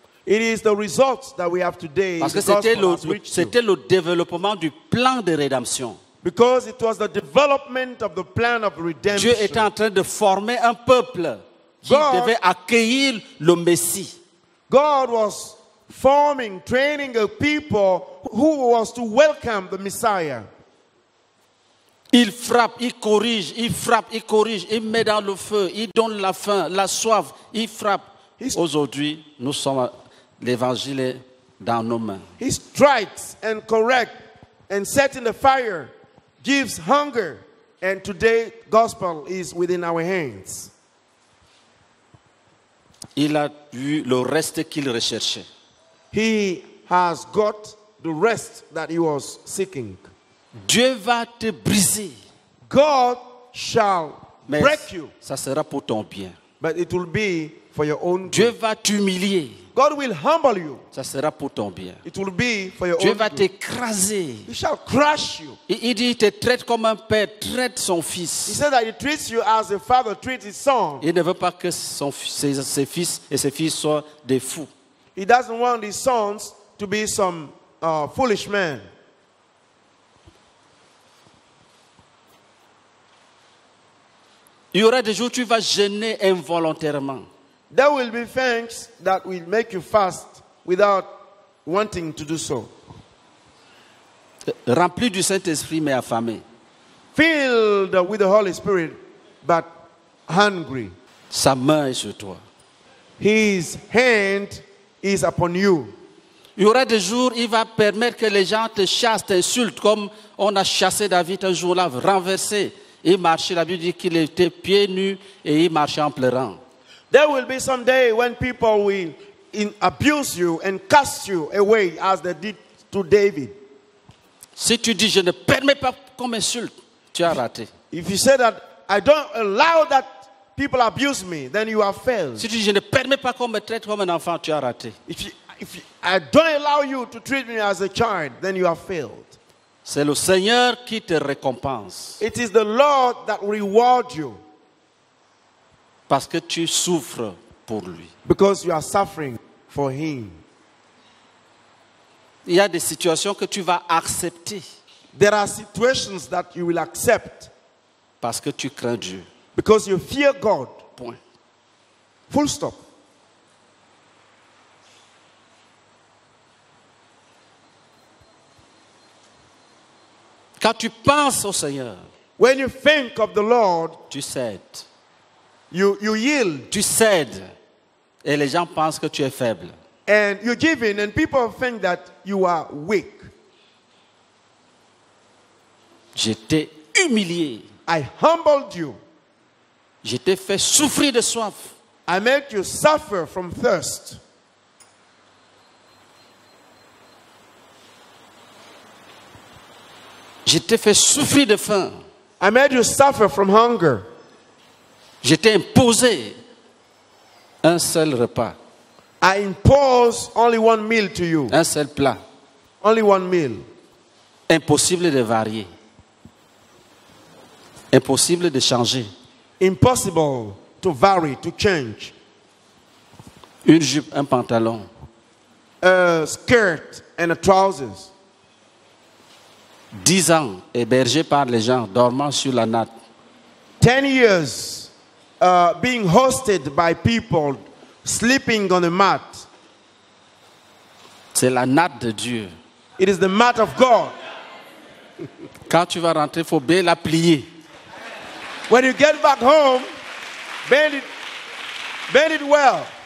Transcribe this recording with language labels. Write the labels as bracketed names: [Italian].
[English] It is the result that we have today. [French] Parce que c'était le développement du plan de rédemption. [English] Because it was the development of the plan of redemption. [French] Dieu était en train de former un peuple qui devait accueillir le Messie. [English] God was forming, training a people who was to welcome the Messiah. [French] Il frappe, il corrige, il frappe, il corrige, il met dans le feu, il donne la faim, la soif, il frappe. Aujourd'hui, nous sommes l'évangile dans nos mains. [English] He strikes and corrects and sets in the fire, gives hunger, and today gospel is within our hands. [French] Il a eu le reste qu'il recherchait. [English] He has got the rest that he was seeking. [French] Dieu va te briser. [English] God shall [French] Mais [English] break you. [French] Ça sera pour ton bien. [English] But it will be for your own [French] Dieu [English] good. [French] Va t'humilier. [English] God will humble you. [French] Ça sera pour ton bien. [English] It will be for your [French] Dieu [English] own [French] va [English] good. [French] T'écraser. [English] He shall crush you. [French] Il dit, il te traite comme un père traite son fils. [English] He said that he treats you as a father treats his son. [French] Il ne veut pas que ses fils et ses filles soient des fous. [English] He doesn't want his sons to be some foolish men. [French] Il y aura des jours où tu vas jeûner involontairement. [English] There will be things that will make you fast without wanting to do so. [French] Rempli du Saint-Esprit mais affamé. [English] Filled with the Holy Spirit but hungry. [French] Sa main est sur toi. [English] His hand is upon you. [French] Il y aura des jours où il va permettre que les gens te chassent, t'insultent comme on a chassé David un jour-là, renversé. Il marchait, la Bible dit qu'il était pieds nus et il marchait en pleurant. [English] There will be some day when people will abuse you and cast you away as they did to David. [French] Si tu dis je ne permets pas qu'on m'insulte, tu as raté. [English] If you say that I don't allow that people abuse me, then you have failed. [French] Si tu dis je ne permets pas qu'on me traite comme un enfant, tu as raté. [English] If I don't allow you to treat me as a child, then you have failed. [French] C'est le Seigneur qui te récompense. [English] It is the Lord that rewards you. [French] Parce que tu souffres pour lui. [English] Because you are suffering for him. [French] Il y a des situations que tu vas accepter. [English] There are situations that you will accept. [French] Parce que tu crains Dieu. [English] Because you fear God. [French] Point. [English] Full stop. [French] Quand tu penses au Seigneur, [English] when you think of the Lord, [French] tu cèdes. [English] You yield. [French] Tu cèdes. Et les gens pensent que tu es faible. [English] And you give in and people think that you are weak. [French] Je t'ai humilié. [English] I humbled you. [French] Je t'ai fait souffrir de soif. [English] I made you suffer from thirst. [French] Je t'ai fait souffrir de faim. [English] I made you suffer from hunger. [French] Je t'ai imposé un seul repas. [English] I impose only one meal to you. [French] Un seul plat. [English] Only one meal. [French] Impossible de varier. Impossible de changer. [English] Impossible to vary, to change. [French] Une jupe, un pantalon. [English] A skirt and a trousers. [French] 10 ans hébergé par les gens dormant sur la natte. [English] 10 years being hosted by people sleeping on a mat. [French] C'est la natte de Dieu. [English] It is the mat of God. [French] Quand tu vas rentrer, faut bien la plier. [English] When you get back home, bend it well.